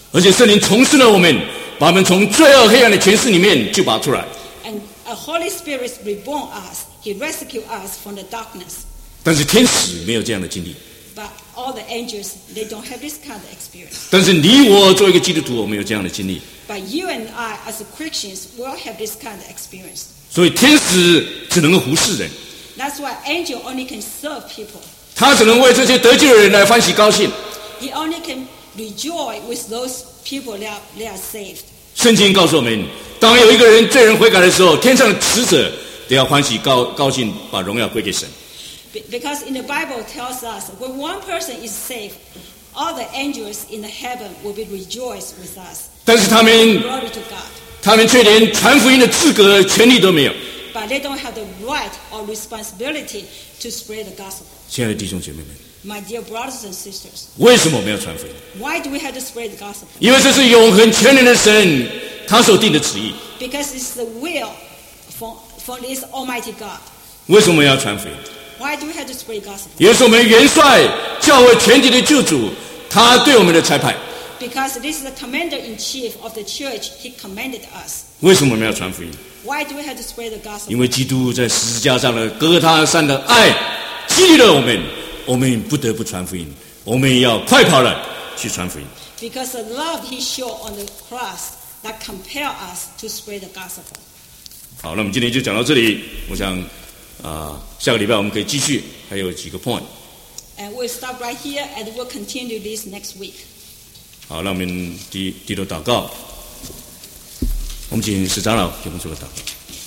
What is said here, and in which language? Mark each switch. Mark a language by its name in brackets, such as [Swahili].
[Chinese] 而且圣灵重生了我们，把我们从罪恶黑暗的权势里面救拔出来。 [English] And a Holy Spirit reborn us; He rescued us from the darkness. [Chinese] 但是天使没有这样的经历。 [English] But all the angels they don't have this kind of experience. [Chinese] 但是你我作为一个基督徒，我们有这样的经历。 [English] But you and I as Christians will have this kind of experience. [Chinese] 所以天使只能服侍人。 [English] That's why angel only can serve people. [Chinese] 他只能为这些得救的人来欢喜高兴。 [English] He only can rejoice with those people that are saved. [Chinese] 圣经告诉我们，当有一个人罪人悔改的时候，天上的使者都要欢喜高兴，把荣耀归给神。 [English] Because in the Bible tells us, when one person is saved, all the angels in the heaven will be rejoiced with us. [Chinese] 但是他们却连传福音的资格、权利都没有。 [English] But they don't have the right or responsibility to spread the gospel. [Chinese] 亲爱的弟兄姐妹们 [English] ，My dear brothers and sisters， [Chinese] 为什么我们要传福音 [English] ？Why do we have to spread the gospel？ [Chinese] 因为这是永恒全能的神他所定的旨意。 [English] Because it's the will from this Almighty God. [Chinese] 为什么要传福音？ [English] Why do we have to spread gospel? [Chinese] 耶稣我们元帅，教会全体的救主，他对我们的差派。 [English] Because this is the commander in chief of the church, he commanded us. [Chinese] 为什么我们要传福音？ [English] Why do we have to spread the gospel? [Chinese] 因为基督在十字架上的哥他山的爱激励了我们，我们不得不传福音，我们要快跑了去传福音。 [English] Because the love he showed on the cross that compelled us to spread the gospel. [Chinese] 好，那我们今天就讲到这里。我想，下个礼拜我们可以继续，还有几个 point. [English] And we'll stop right here, and we'll continue this next week. [Chinese] 好，那我们低头祷告。我们请史长老给我们做个祷告。